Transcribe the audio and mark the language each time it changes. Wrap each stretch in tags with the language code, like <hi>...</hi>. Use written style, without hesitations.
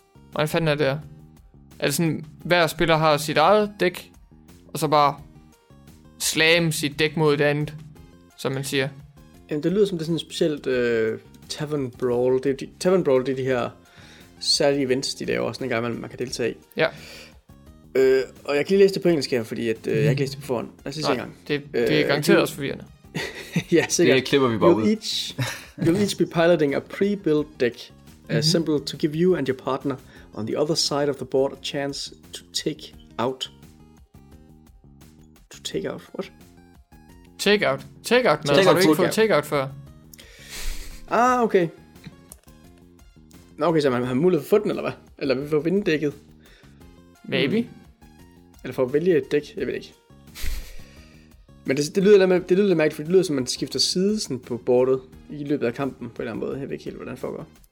<da>Hvordan fanden er det her? Er det sådan, hver spiller har sit eget dæk, og så bare slam sit dæk mod det andet, som man siger? Jamen, det lyder som, det er sådan specielt Tavern Brawl. Det er de, Tavern Brawl, det er de her særlige events, de laver, sådan en gang, man kan deltage i. Ja. Og jeg kan lige læse det på engelsk her, fordi at, jeg ikke læste det på forhånd. Lad os lige se en gang. Det er garanteret også forvirrende. Ja, sikkert. Det klipper vi bare ud.</da> <en>You'll each be piloting a pre-built deck, assembled to give you and your partner on the other side of the board a chance to take out. To take out? What? Take out? Take out?</en> <da>Nå, har du ikke fået take out før? Ah, okay. Nå, okay, så man har mulighed for at få den, eller hvad? Eller vil vi få vinde dækket?</da> <en>Maybe.</en> <da>Eller for at vælge et dæk, jeg ved ikke. Men det lyder lidt mærkeligt, for det lyder som man skifter side på bordet i løbet af kampen på en eller anden måde. Jeg ved ikke helt, hvordan det foregår.</da>